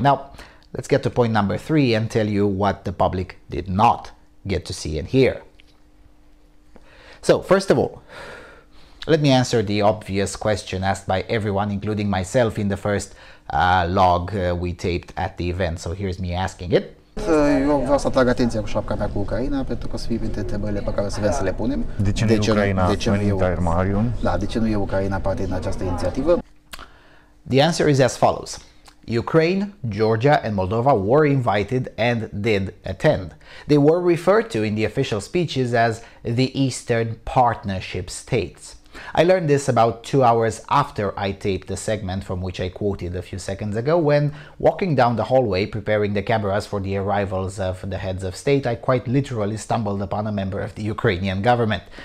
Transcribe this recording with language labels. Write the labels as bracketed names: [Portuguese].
[English] Now, let's get to point number 3 and tell you what the public did not get to see and hear. So, first of all, let me answer the obvious question asked by everyone, including myself, in the first log we taped at the event. So here's me asking it. [Romanian] Eu vreau să atrag atenția cu șapca mea cu Ucraina, pentru că o să fie printre întrebările pe care o să vrem să le punem. De ce nu e Ucraina în intermarium? Da, de ce nu e Ucraina parte din această inițiativă? [English] The answer is as follows. Ukraine, Georgia and Moldova were invited and did attend. They were referred to in the official speeches as the Eastern Partnership States. I learned this about 2 hours after I taped the segment from which I quoted a few seconds ago, when walking down the hallway preparing the cameras for the arrivals of the heads of state, I quite literally stumbled upon a member of the Ukrainian government.